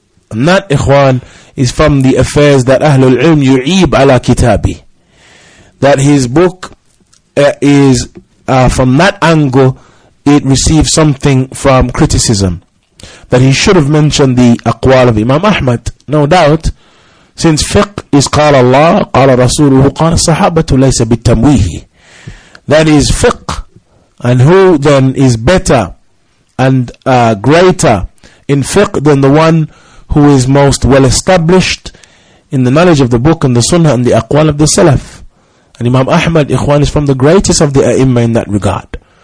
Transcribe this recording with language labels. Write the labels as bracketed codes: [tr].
[en] And that, ikhwan, is from the affairs that Ahlul Ilm yu'ib ala kitabi. That his book is, from that angle, it receives something from criticism. That he should have mentioned the aqwal of Imam Ahmad, no doubt. Since fiqh is [ar] قال الله قال رسوله قال الصحابة ليس بالتمويه. [en] That is fiqh. And who then is better and greater in fiqh than the one who is most well established in the knowledge of the book and the sunnah and the aqwal of the salaf? And Imam Ahmad, ikhwan, is from the greatest of the a'imma in that regard.